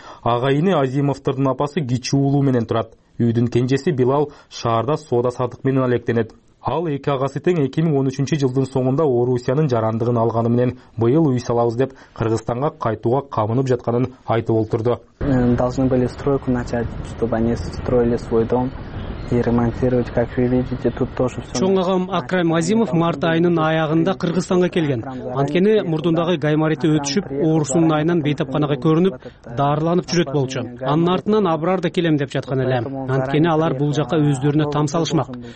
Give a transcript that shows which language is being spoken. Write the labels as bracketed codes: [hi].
[ky] Агайыны Азимовдордун апасы кичүү уулу менен турат. Үйдүн кенжеси Билал шаарда соода сатык менен алектенет. Ал эки агасы тең 2013 жылдын соңунда Орусиянын жарандыгын алганы менен быйыл үй салабыз деп Кыргызстанга кайтууга камынып жатканын айтып олтурду. [ru] Должны были стройку начать, чтобы они строили свой дом. [ky] Чоң агам Акрам Азимов март айынын аягында Кыргызстанга келген. Анткени мурдундагы гаймарити өтүшүп, оорусунун айынан бейтапканага көрүнүп, дарыланып жүрөт болчу. Анын артынан абрар да келем деп жаткан эле. Анткени алар бул жакка өздөрүнө там салышмак.